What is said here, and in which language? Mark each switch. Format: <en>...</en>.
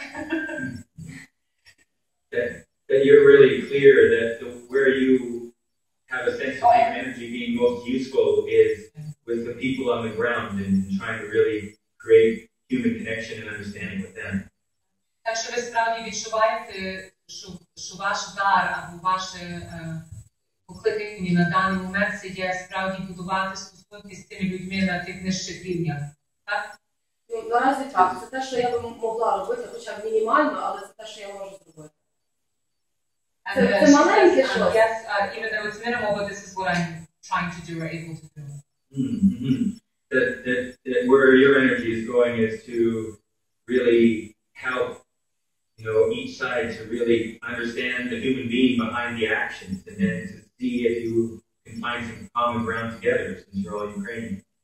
<en>That you're really clear that where you have a sense of humanity being most useful is with the people on the ground and trying to really create human connection and understanding with them.</en> <uk>Так що ви справді відчуваєте, що ваш дар або ваше покликання на даний момент є справді будувати стосунки з тими людьми на тих нижчих рівнях. Ну, наразі так. Це те, що я би могла робити, хоча б мінімально, але це те, що я можу зробити. Це маленьке щось.</uk> <en>Yes, even though it's minimal, but this is what I'm trying to do or able to do. That where your energy is going is to really help, you know, each side to really understand the human being behind the actions and then to see if you can find some common ground together since you're all Ukrainian.</en>